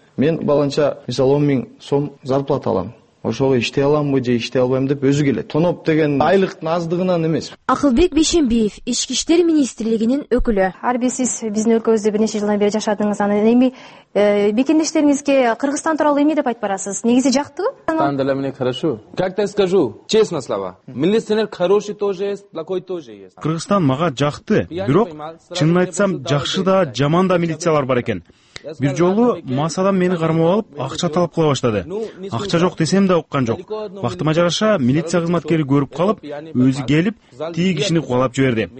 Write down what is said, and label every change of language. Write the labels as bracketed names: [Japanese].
[Kyrgyz] Мен баланча мисалы 10,000 сом зарплата алам, ошого иштей аламбы же иштей албайм деп өзү келет. Тоноп деген айлыктын аздыгынан эмес. Акылбек Бейшенбиев, ички иштер министрлигинин өкүлү. Ар бир сиз биздин өлкөбүздө бир нече жылдан бери жашадыңыз, анан эми бекендештериңизге Кыргызстан тууралуу эмне деп айтып барасыз? Негизи жактыбы? Кыргызстан деле мен [Russian] хорошо. Как так скажу? Честно слова. Милиционер хороший тоже есть, плохой тоже есть. [Kyrgyz] Кыргызстан мага жакты, бирок чынын айтсам жакшы да, жаман да милициялар бар экен. Бир жолу мас адам мени кармап алып, акча талап кыла баштады. Акча жок десем да уккан жок. Бактыма жараша милиция кызматкери көрүп калып, өзү келип тии кишини кубалап жиберди.